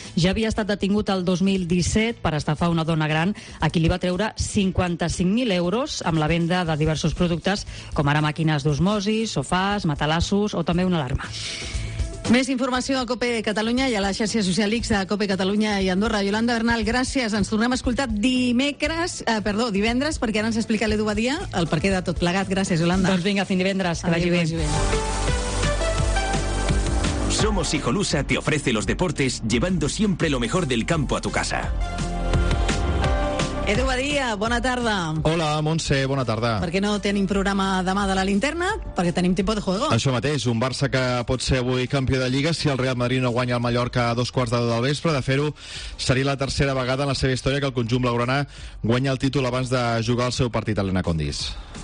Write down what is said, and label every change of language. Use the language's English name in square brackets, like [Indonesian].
[Catalan] Ja havia estat detingut el 2017 per estafar una dona gran a qui li va treure 55.000 euros amb la venda de diversos productes, com ara màquines d'osmosi, sofàs, matalassos o també una alarma. Més informació a COPE Catalunya i a la xarxa social X de COPE Catalunya i Andorra. Iolanda Bernal, gràcies. Ens tornem a escoltar divendres, perquè ara ens explica l'Edu Badia el perquè de tot plegat. Gràcies, Iolanda. Doncs vinga, fins divendres. Que vagi bé. [Spanish] Somos Hijolusa te ofrece los deportes llevando siempre lo mejor del campo a tu casa. [Catalan] Edu Badia, bona tarda. Hola, Montse, bona tarda. Per què no tenim programa demà de la Linterna? Perquè tenim tiempo de juego. Això mateix, un Barça que pot ser avui campió de Lliga si el Real Madrid no guanya el Mallorca a 2:15 del vespre. De fer-ho, seria la tercera vegada en la seva història que el conjunt blaugrana guanya el títol abans de jugar el seu partit a l'Ena Condis.